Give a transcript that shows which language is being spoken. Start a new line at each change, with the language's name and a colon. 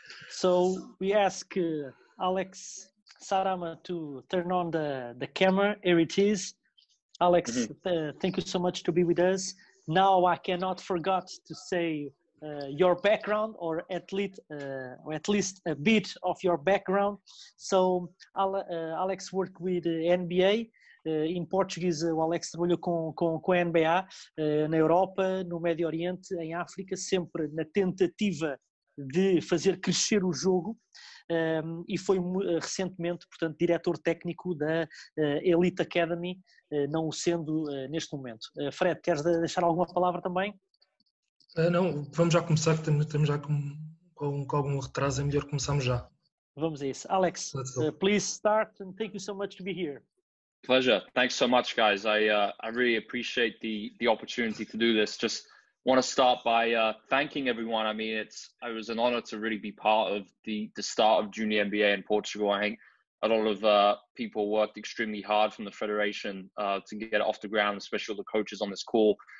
English: So we ask Alex Sarama to turn on the camera. Here it is. Alex, thank you so much to be with us. Now I cannot forget to say your background, or at least a bit of your background. So Alex worked with NBA.
Portuguese: Em português, o Alex trabalhou com a NBA na Europa, no Médio Oriente, em África, sempre na tentativa de fazer crescer o jogo. E foi recentemente, portanto, diretor técnico da Elite Academy, não o sendo neste momento. Fred, queres deixar alguma palavra também? Não, vamos já começar, que temos já com algum retraso, é melhor começarmos já. Vamos a isso.
English: Alex, please start and thank you so much to be here. Pleasure. Thanks so much, guys. I really appreciate the opportunity to do this. Just want to start by thanking everyone. I mean, it was an honor to really be part of the start of Junior NBA in Portugal. I think a lot of people worked extremely hard from the Federation to get it off the ground, especially the coaches on this call.